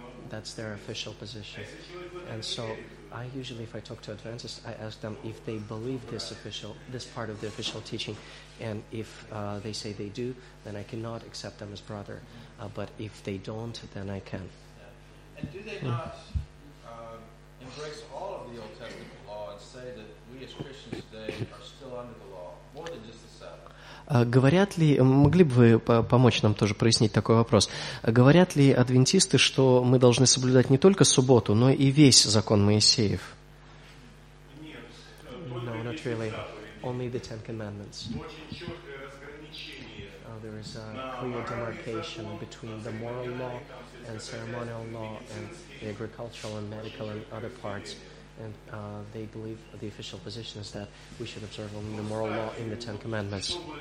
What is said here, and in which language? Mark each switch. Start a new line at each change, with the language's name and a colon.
English: That's their official position. And so I usually, if I talk to Adventists, I ask them if they believe this part of the official teaching, and if they say they do, then I cannot accept them as brother. But if they don't, then I can. Yeah. And do they not embrace all of the Old Testament law and say that we as Christians today are still under the law, more than just the Sabbath?
Russian: Говорят ли, могли бы вы помочь нам тоже прояснить такой вопрос, говорят ли адвентисты, что мы должны соблюдать не только субботу, но и весь закон Моисеев?
English: No, not really. Only the Ten Commandments. There is a clear demarcation between the moral law and ceremonial law and the agricultural and medical and other parts. And they believe the official position is that we should observe only the moral law in the Ten Commandments.